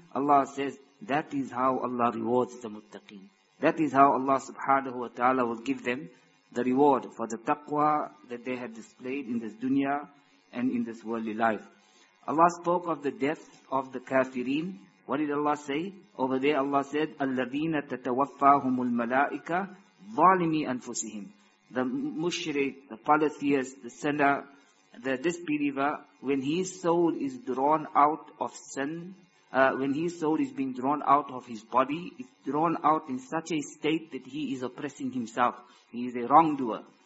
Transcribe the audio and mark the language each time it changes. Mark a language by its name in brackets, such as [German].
[English] Allah says, that is how Allah rewards the muttaqeen. That is how Allah subhanahu wa ta'ala will give them the reward for the taqwa that they have displayed in this dunya and in this worldly life. Allah spoke of the death of the kafirin. What did Allah say? Over there Allah said, [Arabic] الَّذِينَ تَتَوَفَّاهُمُ الْمَلَائِكَةِ ظَالِمِي أَنفُسِهِمْ. [English] The mushrik, the polytheist, the sinner, the disbeliever, when his soul is drawn out of sin, when his soul is being drawn out of his body, is drawn out in such a state that he is oppressing himself. He is a wrongdoer.